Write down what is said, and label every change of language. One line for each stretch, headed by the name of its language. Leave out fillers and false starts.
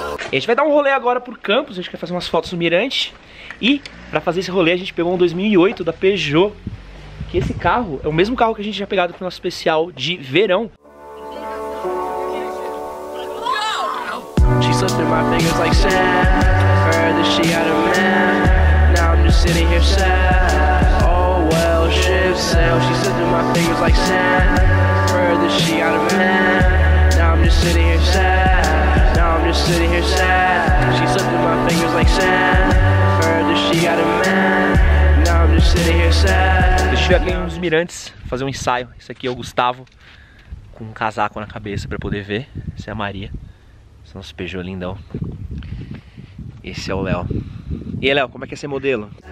Portuguese: A gente vai dar um rolê agora por Campos, a gente quer fazer umas fotos no mirante. E, pra fazer esse rolê, a gente pegou um 2008 da Peugeot. Que esse carro é o mesmo carro que a gente já pegado pro nosso especial de verão.
English: slipping my fingers like sand. Heard that she had a man, now I'm just sitting here sad. Oh well, ship sail, she slipping my fingers like sand. Heard that she had a man, now I'm just sitting here sad. Now I'm just sitting here sad. She slipping my fingers like sand. Heard that she had a man, now I'm just sitting here sad.
Portuguese: Deixa eu ver aqui nos mirantes, fazer um ensaio. Esse aqui é o Gustavo, com um casaco na cabeça pra poder ver. Essa é a Maria. Esse é o nosso Peugeot lindão. Esse é o Léo. E aí, Léo, como é que é ser modelo?